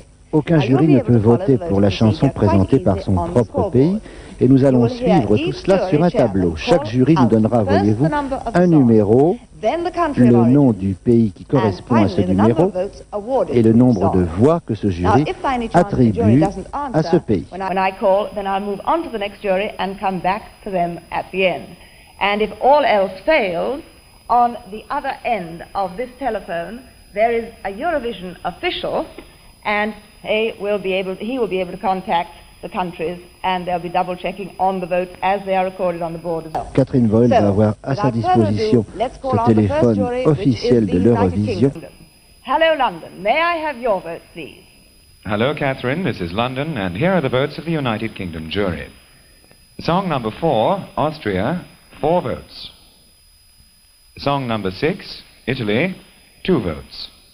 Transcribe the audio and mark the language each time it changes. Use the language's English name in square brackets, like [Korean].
[French] Aucun jury ne peut voter pour la chanson présentée par son propre pays et nous allons suivre tout cela sur un tableau. Chaque jury nous donnera, voyez-vous, un numéro, le nom du pays qui correspond à ce numéro et le nombre de voix que ce jury attribue à ce pays. [English] When I call, then I'll move on to the next jury and come back to them at the end. And if all else fails, on the other end of this telephone, there is a Eurovision official and he will be able to contact the countries and they'll be double checking on the votes as they are recorded on the board as well. [French] Catherine Boyle va avoir à sa disposition ce téléphone officiel de l'Eurovision. [English] Hello London, may I have your vote please? Hello Catherine, this is London and here are the votes of the United Kingdom jury. Song number 4, Austria, 4 votes. Song number 6, Italy, 2 votes.